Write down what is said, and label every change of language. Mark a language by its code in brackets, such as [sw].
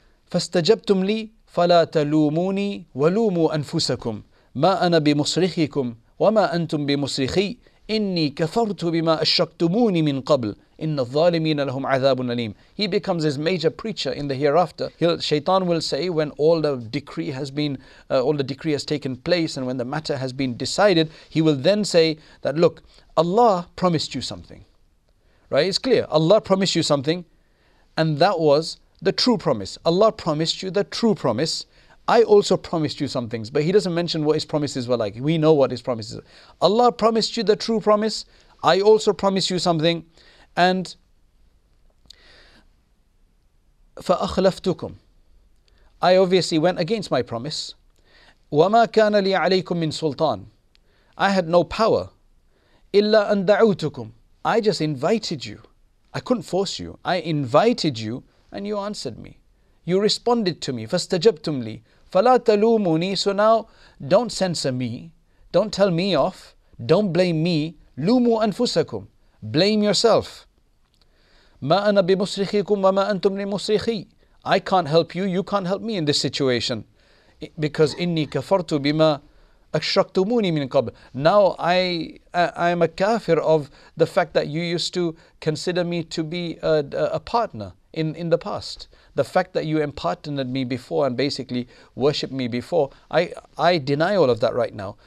[ar] فَاسْتَجَبْتُمْ لِي فَلَا تَلُومُونِي وَلُومُوا أَنفُسَكُمْ مَا أَنَا بِمُصْرِخِكُمْ وَمَا أَنْتُمْ بِمُصْرِخِي إِنِّي كَفَرْتُ بِمَا أَشْرَكْتُمُونِي مِنْ قَبْلُ إِنَّ الظَّالِمِينَ لَهُمْ عَذَابٌ أَلِيمٌ. [en] He becomes his major preacher in the hereafter. Shaitan will say, when all the decree has been, all the decree has taken place, and when the matter has been decided, he will then say that, look, Allah promised you something. Right? It's clear. Allah promised you something, and that was the true promise. Allah promised you the true promise. I also promised you some things, but he doesn't mention what his promises were like. We know what his promises are. Allah promised you the true promise. I also promised you something. And [ar] فَأَخْلَفْتُكُمْ [en] I obviously went against my promise. [ar] وَمَا كَانَ لِي عَلَيْكُمْ مِنْ سُلْطَانٍ [en] I had no power. [ar] إِلَّا أَنْ دَعُوتُكُمْ [en] I just invited you. I couldn't force you. I invited you and you answered me. You responded to me. [ar] فَاسْتَجَبْتُمْ لِي فَلَا تَلُومُونِي [en] So now, don't censor me. Don't tell me off. Don't blame me. [ar] لُومُوا أَنفُسَكُمْ [en] Blame yourself. [ar] مَا أَنَا بِمُسْرِخِكُمْ وَمَا أَنْتُمْ لِمُسْرِخِي [en] I can't help you. You can't help me in this situation. Because [ar] إِنِّي كَفَرْتُ بِمَا أَشْرَكْتُمُونِي مِنْ قَبْلِ [en] Now I am a kafir of the fact that you used to consider me to be a partner in the past. The fact that you empartnered me before and basically worshipped me before, I deny all of that right now.